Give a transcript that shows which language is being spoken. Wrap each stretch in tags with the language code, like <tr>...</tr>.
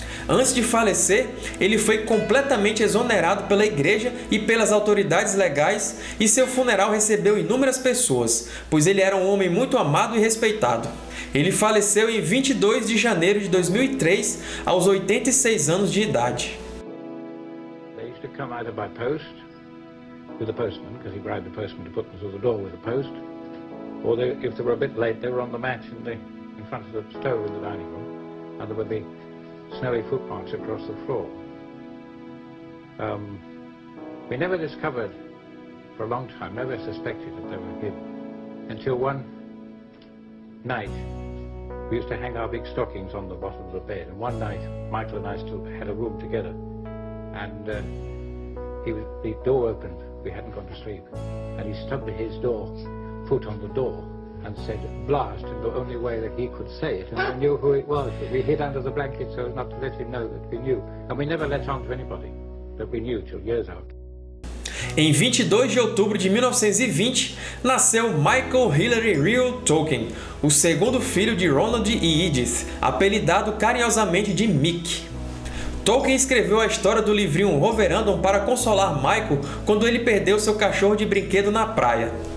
<pt>Antes de falecer, ele foi completamente exonerado pela igreja e pelas autoridades legais, e seu funeral recebeu inúmeras pessoas, pois ele era um homem muito amado e respeitado. Ele faleceu em 22 de janeiro de 2003, aos 86 anos de idade.</pt> <en>They used to come either by post with the postman, because he bribed the postman to put them through the door with the post, or they, if they were a bit late, they were on the mat in front of the stove in the dining room, and there would be snowy footprints across the floor. We never discovered for a long time, never suspected that they were hidden, until one night. We used to hang our big stockings on the bottom of the bed, and one night Michael and I still had a room together, and the door opened, we hadn't gone to sleep, and he stubbed his foot on the door and said "blast" in the only way that he could say it, and we knew who it was, but we hid under the blanket so as not to let him know that we knew, and we never let on to anybody that we knew till years out.</en> <pt>Em 22 de outubro de 1920, nasceu Michael Hilary Reuel Tolkien, o segundo filho de Ronald e Edith, apelidado carinhosamente de Mick. Tolkien escreveu a história do livrinho Roverandom para consolar Michael quando ele perdeu seu cachorro de brinquedo na praia.</pt>